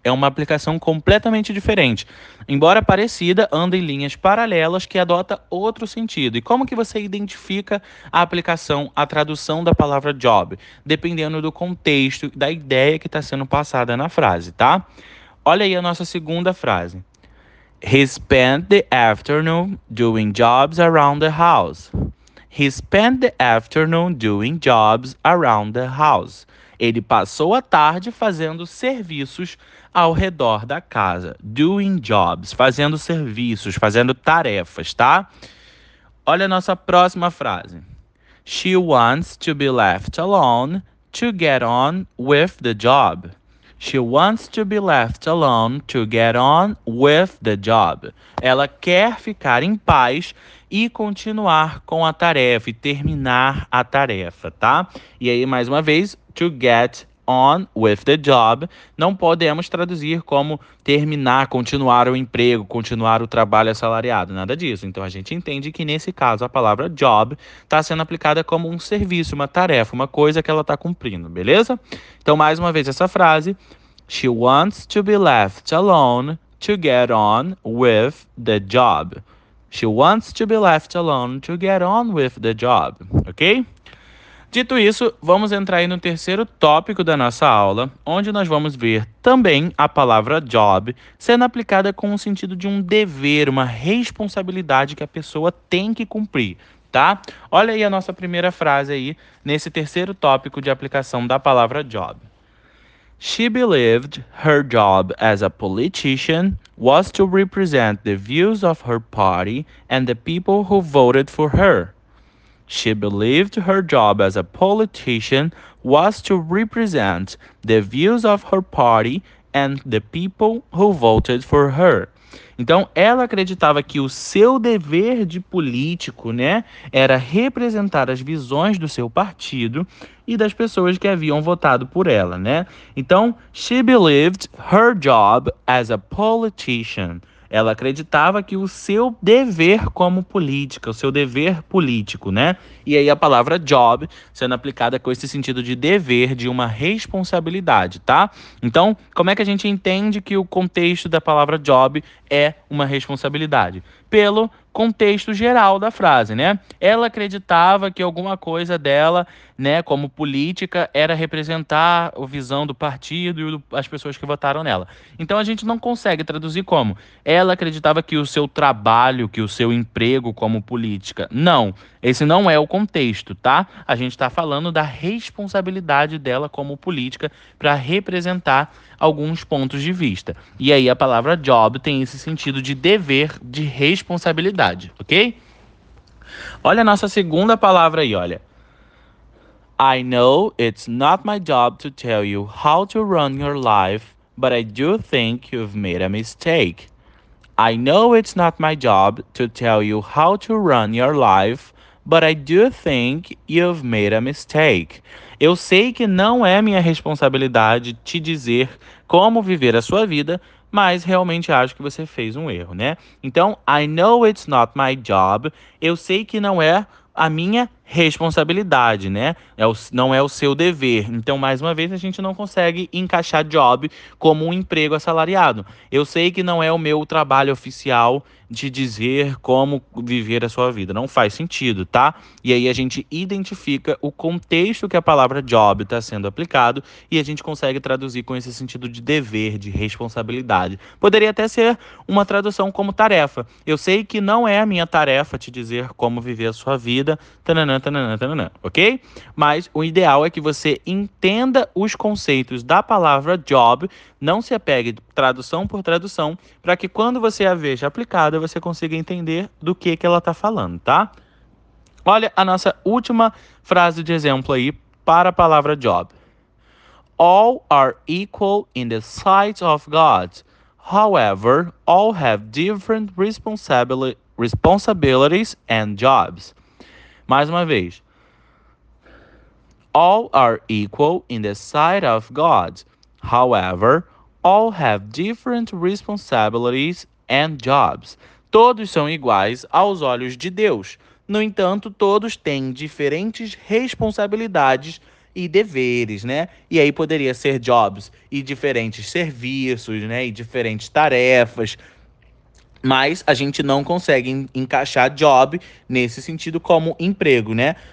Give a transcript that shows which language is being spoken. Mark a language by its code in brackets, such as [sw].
[pt] É uma aplicação completamente diferente. Embora parecida, anda em linhas paralelas que adota outro sentido. E como que você identifica a aplicação, a tradução da palavra job? Dependendo do contexto, da ideia que está sendo passada na frase, tá? Olha aí a nossa segunda frase. [en] He spent the afternoon doing jobs around the house. He spent the afternoon doing jobs around the house. [pt] Ele passou a tarde fazendo serviços ao redor da casa. [en] Doing jobs, [pt] fazendo serviços, fazendo tarefas, tá? Olha a nossa próxima frase. [en] She wants to be left alone to get on with the job. She wants to be left alone to get on with the job. [pt] Ela quer ficar em paz e continuar com a tarefa e terminar a tarefa, tá? E aí, mais uma vez, [en] to get on with the job, [pt] não podemos traduzir como terminar, continuar o emprego, continuar o trabalho assalariado, nada disso. Então a gente entende que nesse caso a palavra job está sendo aplicada como um serviço, uma tarefa, uma coisa que ela está cumprindo, beleza? Então, mais uma vez, essa frase. [en] She wants to be left alone to get on with the job. She wants to be left alone to get on with the job. Ok? [pt] Dito isso, vamos entrar aí no terceiro tópico da nossa aula, onde nós vamos ver também a palavra job sendo aplicada com o sentido de um dever, uma responsabilidade que a pessoa tem que cumprir, tá? Olha aí a nossa primeira frase aí nesse terceiro tópico de aplicação da palavra job. [en] She believed her job as a politician was to represent the views of her party and the people who voted for her. She believed her job as a politician was to represent the views of her party and the people who voted for her. [pt] Então, ela acreditava que o seu dever de político, né, era representar as visões do seu partido e das pessoas que haviam votado por ela, né? [en] Então, she believed her job as a politician. [pt] Ela acreditava que o seu dever como política, o seu dever político, né? E aí a palavra job sendo aplicada com esse sentido de dever, de uma responsabilidade, tá? Então, como é que a gente entende que o contexto da palavra job é uma responsabilidade? Pelo contexto geral da frase, né? Ela acreditava que alguma coisa dela, né, como política, era representar a visão do partido e as pessoas que votaram nela. Então a gente não consegue traduzir como. Ela acreditava que o seu trabalho, que o seu emprego como política. Não, esse não é o contexto, tá? A gente está falando da responsabilidade dela como política para representar alguns pontos de vista. E aí a palavra job tem esse sentido de dever, de responsabilidade, ok? Olha a nossa segunda palavra aí, olha. [en] I know it's not my job to tell you how to run your life, but I do think you've made a mistake. I know it's not my job to tell you how to run your life, but I do think you've made a mistake. [pt] Eu sei que não é minha responsabilidade te dizer como viver a sua vida, mas realmente acho que você fez um erro, né? [en] Então, I know it's not my job. [pt] Eu sei que não é a minha responsabilidade, né? Não é o seu dever. Então, mais uma vez, a gente não consegue encaixar job como um emprego assalariado. Eu sei que não é o meu trabalho oficial de dizer como viver a sua vida. Não faz sentido, tá? E aí a gente identifica o contexto que a palavra job está sendo aplicado e a gente consegue traduzir com esse sentido de dever, de responsabilidade. Poderia até ser uma tradução como tarefa. Eu sei que não é a minha tarefa te dizer como viver a sua vida, tananã, tananã, tananã, ok? Mas o ideal é que você entenda os conceitos da palavra job, não se apegue tradução por tradução, para que quando você a veja aplicada, você consiga entender do que ela está falando, tá? Olha a nossa última frase de exemplo aí para a palavra job. [en] All are equal in the sight of God. However, all have different responsibilities and jobs. [pt] Mais uma vez. [en] All are equal in the sight of God. However, all have different responsibilities and jobs. [pt] Todos são iguais aos olhos de Deus. No entanto, todos têm diferentes responsabilidades e deveres, né? E aí poderia ser jobs e diferentes serviços, né? E diferentes tarefas. Mas a gente não consegue encaixar job nesse sentido como emprego, né?